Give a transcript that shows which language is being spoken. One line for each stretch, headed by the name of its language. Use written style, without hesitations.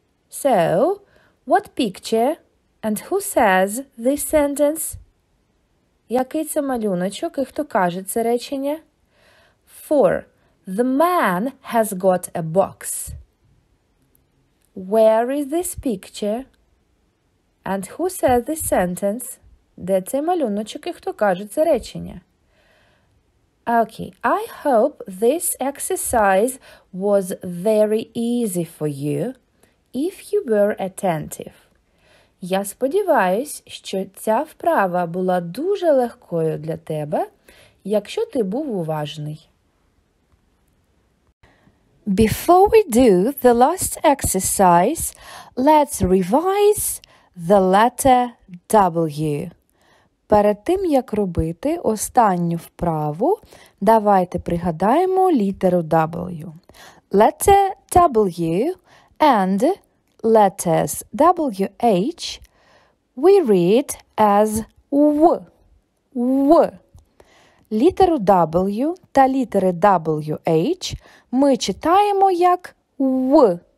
English: So, what picture and who says this sentence?
Ukrainian: Який це малюночок і хто каже це речення?
English: 4. The man has got a box. Where is this picture? And who said this sentence?
Ukrainian: Де цей малюночок і хто каже це речення?
English: Okay, I hope this exercise was very easy for you, if you were attentive.
Ukrainian: Я сподіваюсь, що ця вправа була дуже легкою для тебе, якщо ти був уважний.
English: Before we do the last exercise, let's revise the letter W.
Ukrainian: Перед тим, як робити останню вправу, давайте пригадаємо літеру W.
English: Letter W and letters WH we read as W. W.
Ukrainian: Літеру W та літери WH ми читаємо як W.